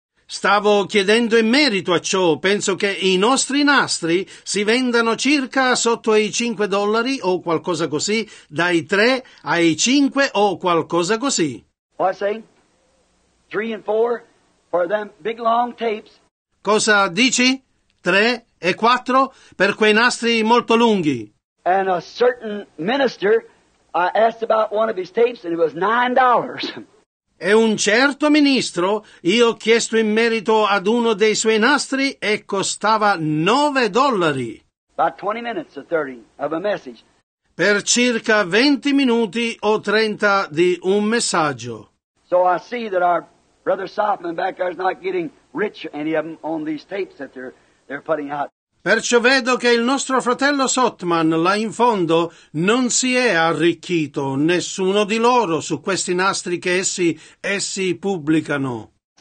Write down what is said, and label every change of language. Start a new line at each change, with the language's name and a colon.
Italian: Stavo chiedendo in merito a ciò. Penso che i nostri nastri si vendano circa sotto i 5 dollari o qualcosa così, dai 3 ai 5 o qualcosa così.
English: What I say? 3 and 4 for them big long tapes.
Italian: Cosa dici? 3 e 4 per quei nastri molto lunghi.
English: And a certain minister asked about one of his tapes and it was $9.
Italian: E un certo ministro, io ho chiesto in merito ad uno dei suoi nastri e costava $9.
English: About 20 minutes or 30 of a message.
Italian: Per circa 20 minuti o 30 di un messaggio.
English: So I see that our brother Sofman back there is not getting rich, any of them, on these tapes that they're putting out.
Italian: Perciò vedo che il nostro fratello Sotman, là in fondo, non si è arricchito, nessuno di loro, su questi nastri che essi pubblicano.